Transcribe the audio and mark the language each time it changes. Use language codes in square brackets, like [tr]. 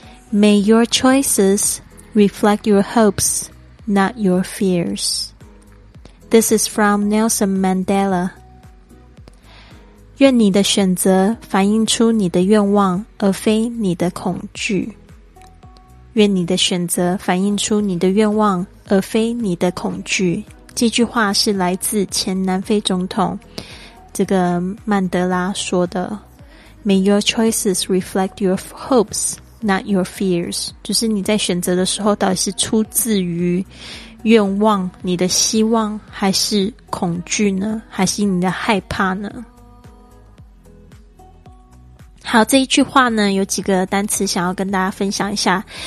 [en] May your choices reflect your hopes, not your fears. This is from Nelson Mandela. [zh] 愿你的选择反映出你的愿望，而非你的恐惧。愿你的选择反映出你的愿望，而非你的恐惧。这句话是来自前南非总统这个曼德拉说的。 [en] May your choices reflect your hopes, not your fears. [zh] 就是你在选择的时候，到底是出自于愿望，你的希望，还是恐惧呢？还是你的害怕呢？好，这一句话呢，有几个单词想要跟大家分享一下。